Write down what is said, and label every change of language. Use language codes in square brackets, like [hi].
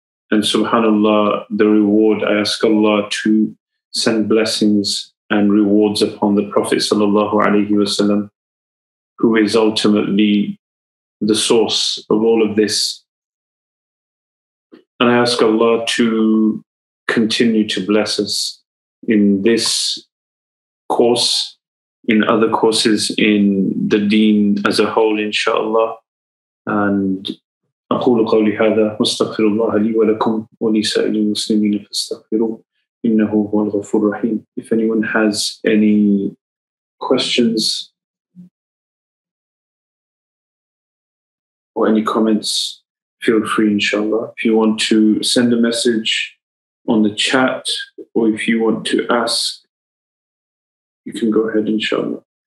[en] And subhanAllah, the reward, I ask Allah to send blessings and rewards upon the Prophet sallallahu alaihi wasallam, who is ultimately the source of all of this. And I ask Allah to continue to bless us in this course, in other courses, in the deen as a whole, inshallah. [ar] And أقول قولي هذا واستغفر الله لي ولكم ولسائر المسلمين فاستغفروه إنه هو الغفور الرحيم. [en] If anyone has any questions or any comments, feel free, inshallah. If you want to send a message on the chat, or if you want to ask, you can go ahead, inshallah.